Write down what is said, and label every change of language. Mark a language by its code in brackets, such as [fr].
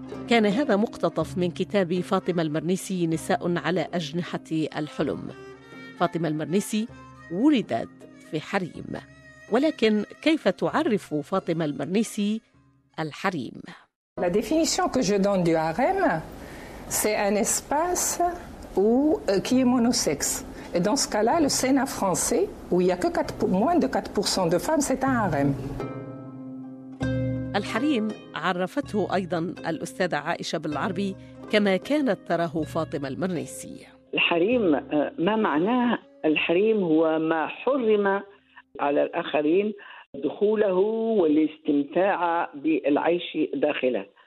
[ar] كان هذا مقتطف من كتاب فاطمة المرنيسي نساء على أجنحة الحلم. فاطمة المرنيسي ولدت في حريم، ولكن كيف تعرف فاطمة المرنيسي الحريم؟ [fr] La définition que je donne du harem, c'est un espace où qui est monosexe. Et dans ce cas-là, le Sénat français où il y a que 4 moins de 4% de femmes, c'est un harem. [ar] الحريم عرفته أيضاً الأستاذة عائشة بالعربي كما كانت تراه فاطمة المرنيسي. الحريم ما معناه؟ الحريم هو ما حرم على الآخرين دخوله والاستمتاع بالعيش داخله.